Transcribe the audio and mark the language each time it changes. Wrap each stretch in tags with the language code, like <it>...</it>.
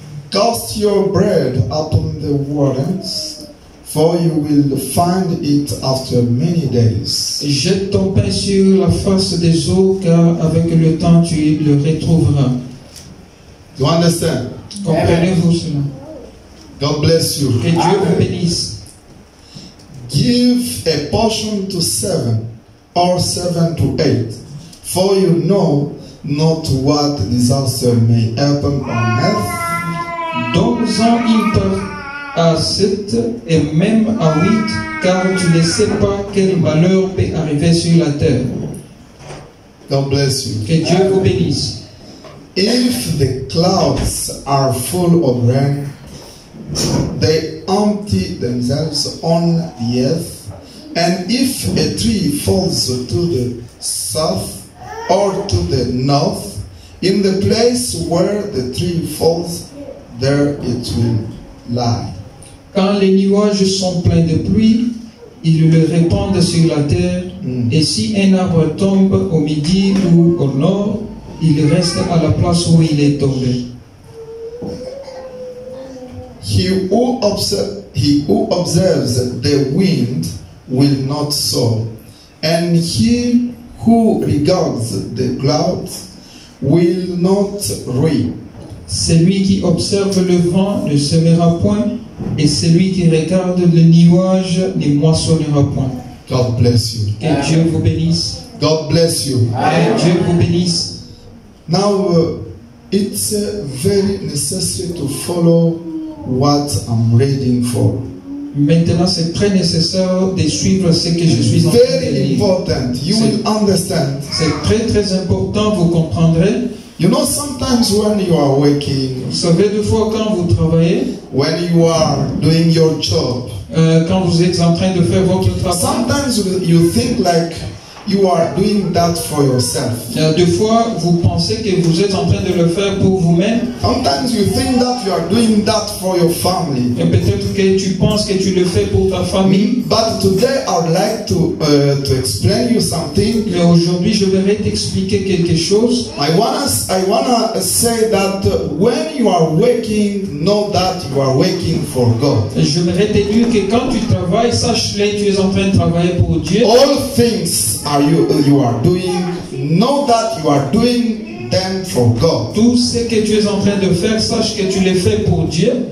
<en>Cast your bread upon the waters, for you will find it after many days.</en> <fr>Jette ton pain sur la face des eaux, car avec le temps tu le retrouveras.</fr> <en>You understand?</en> <fr>Comprenez-vous cela?</fr> <en>God bless you.</en> <fr>Que Dieu vous bénisse.</fr> <en>Give a portion to seven, or seven to eight, for you know not what disaster may happen on earth.</en> <fr>Donne-en une part à sept et même à huit, car tu ne sais pas quel malheur peut arriver sur la terre.</fr> <en>God bless you.</en> <fr>Que Dieu vous bénisse.</fr> <en>If the clouds are full of rain, they empty themselves on the earth, and if a tree falls to the south or to the north, in the place where the tree falls, there it will lie.</en> <fr>Quand les nuages sont pleins de pluie, ils le répandent sur la terre, et si un arbre tombe au midi ou au nord, il reste à la place où il est tombé.</fr> <en>He who observes the wind will not sow, and he who regards the clouds will not reap.</en> <fr>Celui qui observe le vent ne semera point, et celui qui regarde le nuage ne moissonnera point.</fr> <en>God bless you.</en> <fr>Que Dieu vous bénisse.</fr> <en>God bless you.</en> <fr>Que Dieu vous bénisse.</fr> <en>Now, it's very necessary to follow what I'm reading for.</en> <fr>Maintenant, c'est très nécessaire de suivre ce que je suis en train de lire.</fr> <en>Very important. You will understand.</en> <fr>C'est très très important. Vous comprendrez.</fr> <en>You know, sometimes when you are working.</en> <fr>Vous savez, des fois quand vous travaillez.</fr> <en>When you are doing your job.</en> <fr>Quand vous êtes en train de faire votre travail.</fr> <en>Sometimes you think like you are doing that for yourself.</en> <fr>Des fois, vous pensez que vous êtes en train de le faire pour vous-même.</fr> <en>Sometimes you think that you are doing that for your family.</en> <fr>Et peut-être que tu penses que tu le fais pour ta famille.</fr> <en>But today, I would like to explain you something.</en> <fr>Mais aujourd'hui, je vais t'expliquer quelque chose.</fr> <en>I wanna say that when you are working, know that you are working for God.</en> <fr>Je voudrais te dire que quand tu travailles, sache-le, tu es en train de travailler pour Dieu.</fr> <en>All things. You are doing. Know that you are doing them for God.</en> <fr>Tout ce que tu es en train de faire, sache que tu les fais pour Dieu.</fr>